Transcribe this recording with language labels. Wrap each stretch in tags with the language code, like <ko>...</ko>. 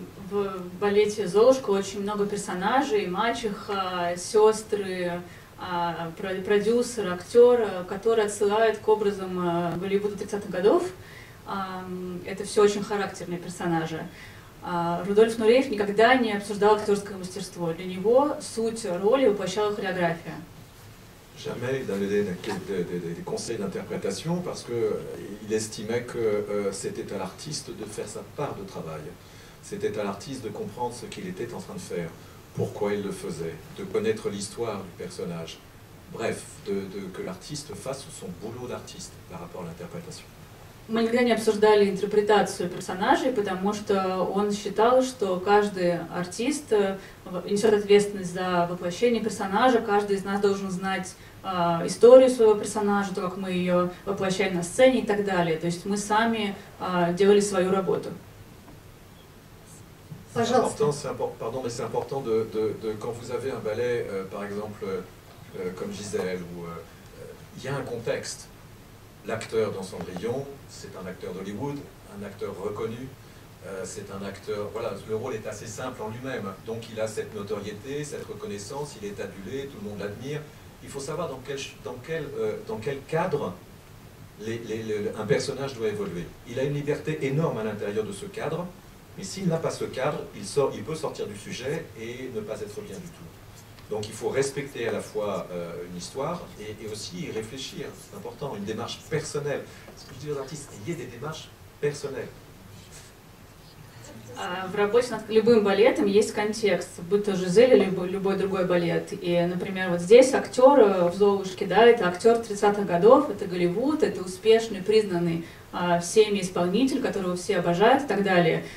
<ru>В балете «Золушка» очень много персонажей, мачеха, сестры, продюсер, актер, которые отсылают к образам Голливуда 30-х годов. Это все очень характерные персонажи. Рудольф Нуреев никогда не обсуждал актерское мастерство. Для него суть роли воплощала хореография.</ru> <fr>Jamais il donnait des conseils d'interprétation parce qu'il estimait que c'était à l'artiste de faire sa part de travail. C'était à l'artiste de comprendre ce qu'il était en train de faire, pourquoi il le faisait, de connaître l'histoire du personnage. Bref, que l'artiste fasse son boulot d'artiste par rapport à l'interprétation.</fr> <ru>Мы никогда не обсуждали интерпретацию персонажей, потому что он считал, что каждый артист несет ответственность за воплощение персонажа, каждый из нас должен знать историю своего персонажа, то, как мы ее воплощаем на сцене и так далее. То есть мы сами делали свою работу. Пожалуйста.</ru> <fr>Pardon, mais c'est important de quand vous avez un ballet, par exemple, comme Gisèle, où il y a un contexte. L'acteur dans Cendrillon, c'est un acteur d'Hollywood, un acteur reconnu, c'est un acteur... Voilà, le rôle est assez simple en lui-même, donc il a cette notoriété, cette reconnaissance, il est adulé, tout le monde l'admire. Il faut savoir dans quel cadre un personnage doit évoluer. Il a une liberté énorme à l'intérieur de ce cadre, mais s'il n'a pas ce cadre, il peut sortir du sujet et ne pas être bien du tout. Donc il faut respecter à la fois une histoire et aussi y réfléchir. C'est important, une démarche personnelle. Ce que je dis aux artistes, il y a des démarches personnelles.</fr> <ru>В работе над любым балетом есть контекст, будь то «Жизель» или любой другой балет. И, например, вот здесь актер в «Золушке», да, это актер 30-х годов, это Голливуд, это успешный, признанный всеми исполнитель, которого все обожают и так далее.</ru>